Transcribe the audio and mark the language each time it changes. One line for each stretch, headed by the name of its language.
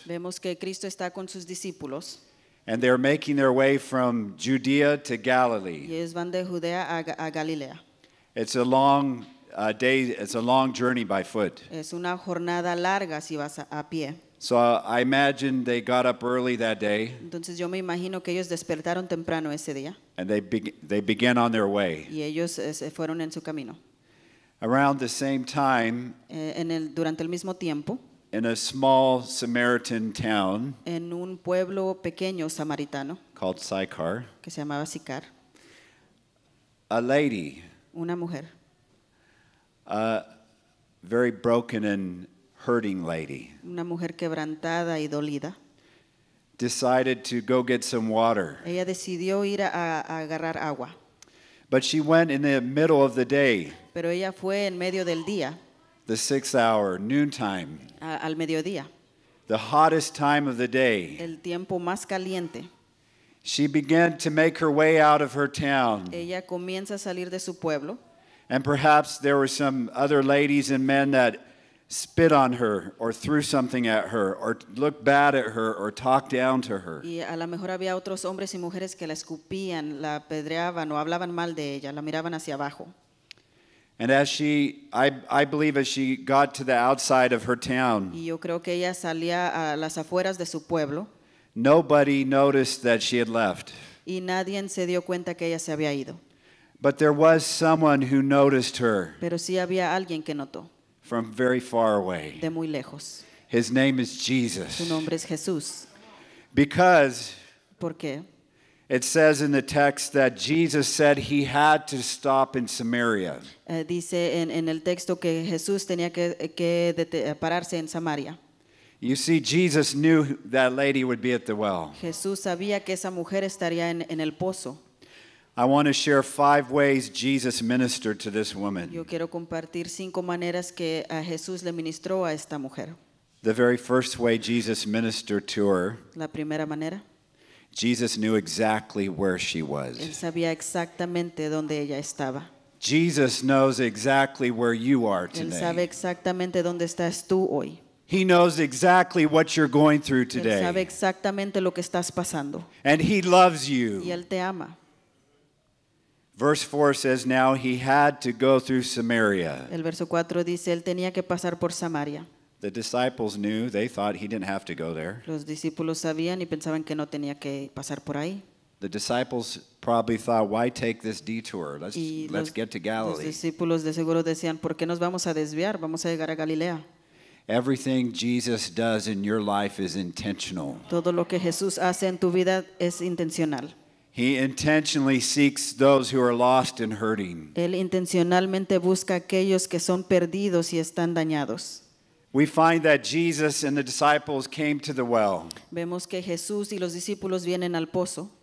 Spanish: Vemos que Cristo está con sus discípulos.
English: And they're making their way from Judea to Galilee.
Spanish: Y ellos van de Judea a Galilea.
English: It's a long journey by foot.
Spanish: Es una jornada larga si vas a pie.
English: So I imagine they got up early that day.
Spanish: Entonces yo me imagino que ellos despertaron temprano ese día.
English: And they began on their way.
Spanish: Y ellos fueron en su camino.
English: Around the same time,
Spanish: durante el mismo tiempo,
English: in a small Samaritan town,
Spanish: en un pueblo pequeño samaritano,
English: called Sychar,
Spanish: que se llamaba Sicar,
English: a lady,
Spanish: una mujer,
English: a very broken and hurting lady,
Spanish: una mujer quebrantada y dolida,
English: decided to go get some water.
Spanish: Ella decidió ir a agarrar agua.
English: But she went in the middle of the day.
Spanish: Pero ella fue en medio del día.
English: The sixth hour, noontime.
Spanish: Al mediodía.
English: The hottest time of the day.
Spanish: El tiempo más caliente.
English: She began to make her way out of her town.
Spanish: Ella comienza a salir de su pueblo.
English: And perhaps there were some other ladies and men that spit on her or threw something at her or looked bad at her or talked down to her.
Spanish: Y a lo mejor había otros hombres y mujeres que la escupían, la apedreaban o hablaban mal de ella, la miraban hacia abajo.
English: And as she, I believe as she got to the outside of her town,
Spanish: y yo creo que ella salía a las afueras de su pueblo,
English: nobody noticed that she had left.
Spanish: Y nadie se dio cuenta que ella se había ido.
English: But there was someone who noticed her.
Spanish: Pero sí había alguien que notó.
English: From very far away.
Spanish: De muy lejos.
English: His name is Jesus.
Spanish: Su nombre es Jesús.
English: Because.
Spanish: ¿Por qué?
English: It says in the text that Jesus said he had to stop in Samaria.
Spanish: Dice en el texto que Jesús tenía que pararse en Samaria.
English: You see, Jesus knew that lady would be at the well.
Spanish: Jesús sabía que esa mujer estaría en el pozo.
English: I want to share 5 ways Jesus ministered to this woman.
Spanish: Yo quiero compartir 5 maneras que a Jesús le ministró a esta mujer.
English: The very first way Jesus ministered to her.
Spanish: La primera manera.
English: Jesus knew exactly where she was.
Spanish: Él sabía exactamente dónde ella estaba.
English: Jesus knows exactly where you are today.
Spanish: Él sabe exactamente dónde estás tú hoy.
English: He knows exactly what you're going through today.
Spanish: Él sabe exactamente lo que estás pasando.
English: And he loves you.
Spanish: Y él te ama.
English: Verse 4 says, now he had to go through Samaria.
Spanish: El verso 4 dice, él tenía que pasar por Samaria.
English: The disciples knew, they thought he didn't have to go there.
Spanish: Los discípulos sabían y pensaban que no tenía que pasar por ahí.
English: The disciples probably thought, why take this detour? Let's get to Galilee.
Spanish: Los discípulos de seguro decían, ¿por qué nos vamos a desviar? Vamos a llegar a Galilea.
English: Everything Jesus does in your life is intentional.
Spanish: Todo lo que Jesús hace en tu vida es intencional.
English: He intentionally seeks those who are lost and hurting.
Spanish: Él intencionalmente busca aquellos que son perdidos y están dañados.
English: We find that Jesus and the disciples came to the well.
Spanish: Vemos que Jesús y los discípulos vienen al pozo.